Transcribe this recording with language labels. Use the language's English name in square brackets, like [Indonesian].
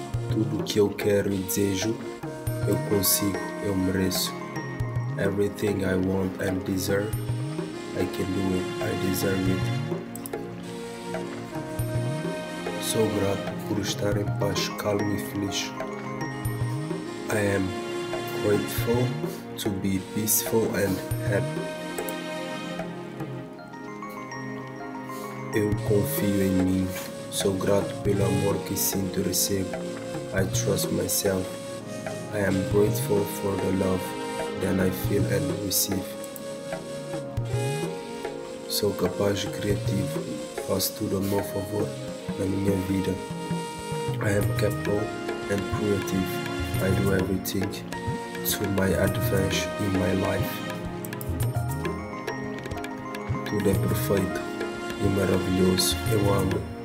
[Portuguese] Tudo o que eu quero e desejo, eu consigo, eu mereço. [English] Everything I want and deserve, I can do it, I deserve it. [Portuguese] Sou grato por estar em paz, calmo e feliz. [English] I am grateful to be peaceful and happy. [Portuguese] Eu confio em mim. Sou grato pelo amor que sinto e recebo. [English] I trust myself. I am grateful for the love that I feel and receive. [Portuguese] Sou capaz e criativo. Faço tudo a meu favor na minha vida. [English] I am capable and creative. I do everything to my advantage in my life. [Portuguese] Tudo é perfeito e maravilhoso. Eu amo.